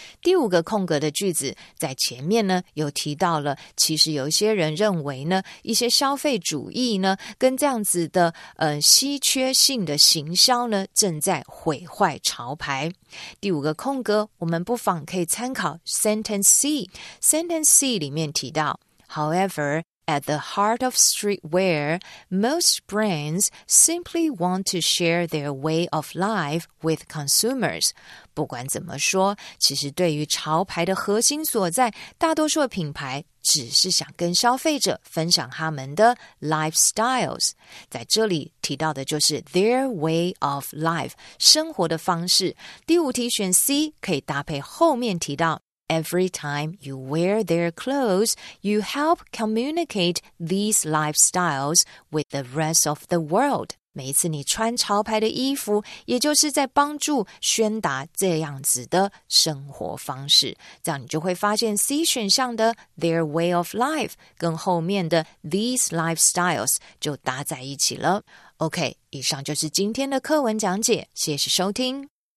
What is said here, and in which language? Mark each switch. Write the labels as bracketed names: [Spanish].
[Chinese] 第五个空格的句子在前面呢有提到了，其实有些人认为呢，一些消费主义呢跟这样子的稀缺性的行销呢正在毁坏潮牌。第五个空格我们不妨可以参考 Sentence C。 [English] Sentence C [Chinese] 里面提到 [English] However, at the heart of streetwear, most brands simply want to share their way of life with consumers. [Chinese] 不管怎么说，其实对于潮牌的核心所在，大多数的品牌只是想跟消费者分享他们的 lifestyles。在这里提到的就是 [English] their way of life, [Chinese] 生活的方式。第五题选 C 可以搭配后面提到 [English] Every time you wear their clothes, you help communicate these lifestyles with the rest of the world。 [Chinese] 每一次你穿潮牌的衣服，也就是在帮助宣达这样子的生活方式。这样你就会发现 C 选项的 [English] their way of life [Chinese] 跟后面的 [English] these lifestyles [Chinese] 就搭在一起了。 OK, 以上就是今天的课文讲解，谢谢收听。